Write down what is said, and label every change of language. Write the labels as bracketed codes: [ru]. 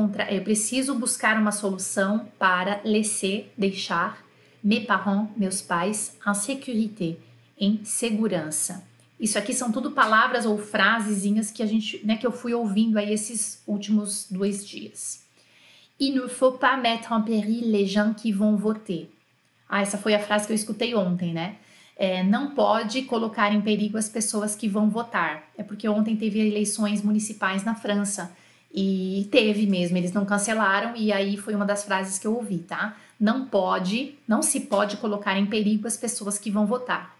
[pt] Eu preciso buscar uma solução para deixar [fr] mes parents, [pt] meus pais, [fr] en sécurité, [pt] em segurança. Isso aqui são tudo palavras ou frasezinhas que a gente, né, que eu fui ouvindo aí esses últimos dois dias. [fr] Il ne faut pas mettre en péril les gens qui vont voter. [pt] Ah, essa foi a frase que eu escutei ontem, né? Não pode colocar em perigo as pessoas que vão votar. É porque ontem teve eleições municipais na França. E teve mesmo, eles não cancelaram. E aí foi uma das frases que eu ouvi, tá? Não pode, não se pode colocar em perigo as pessoas que vão votar.